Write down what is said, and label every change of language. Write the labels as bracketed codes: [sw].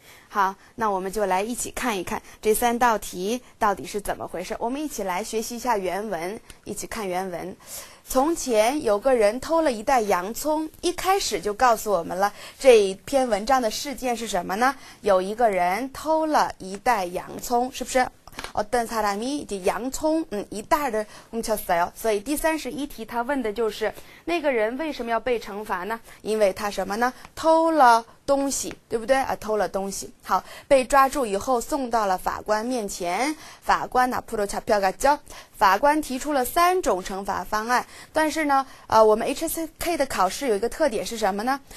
[zh] 好，那我们就来一起看一看这三道题到底是怎么回事。我们一起来学习一下原文，一起看原文。从前有个人偷了一袋洋葱，一开始就告诉我们了这篇文章的事件是什么呢？有一个人偷了一袋洋葱，是不是？ [ko] 어떤 사람이 이제 양총 이따를 훔쳤어요. [zh] 所以第31题 他问的就是 那个人为什么要被惩罚呢? 因为他什么呢?偷了东西,对不对?偷了东西。好,被抓住以后送到了法官面前, 法官呢, 앞으로 잡혀갔죠? 法官提出了3种惩罚方案, 但是呢,我们 HSK的考试有一个特点是什么呢?